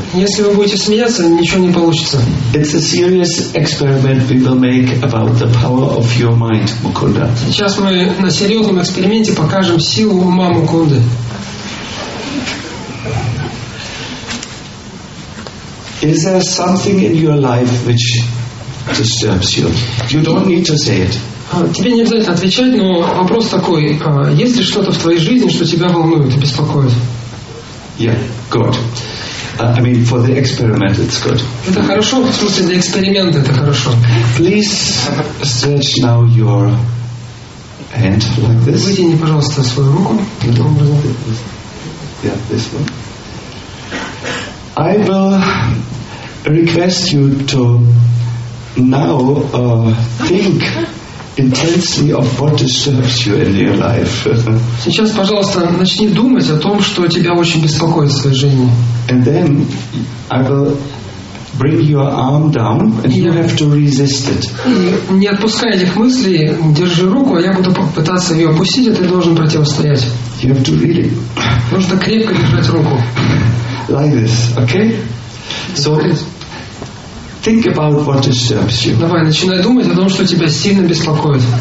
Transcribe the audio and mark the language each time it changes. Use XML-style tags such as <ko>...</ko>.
<ru>Если вы будете смеяться, ничего не получится.</ru> <en>It's a serious experiment we will make about the power of your mind, Mukunda.</en> <ru>Сейчас мы на серьезном эксперименте покажем силу ума Мукунды.</ru> <en>Is there something in your life which disturbs you? You don't need to say it.</en> <ru>Тебе не обязательно отвечать, но вопрос такой: есть ли что-то в твоей жизни, что тебя волнует и беспокоит?</ru> <en>Yeah, good. I mean, for the experiment, it's good.</en> <ru>Это хорошо, в смысле для эксперимента это хорошо.</ru> <en>Please stretch now your hand like this.</en> <ru>Вытяни, пожалуйста, свою руку таким образом.</ru> <en>Yeah, this one. I will request you to now think intensely of what disturbs you in your life.</en> <ru>Сейчас, пожалуйста, начни думать о том, что тебя очень беспокоит в своей жизни.</ru> <en>And then I will bring your arm down, and you have to resist it.</en> <ru>Не отпускай этих мыслей, держи руку, а я буду пытаться ее опустить, а ты должен противостоять.</ru> <en>You have to really.</en> <ru>Нужно крепко держать руку.</ru> <en>Like this, okay? So. Think about what disturbs you.</en> <ru>Давай, начинай думать о том, что тебя сильно беспокоит.</ru>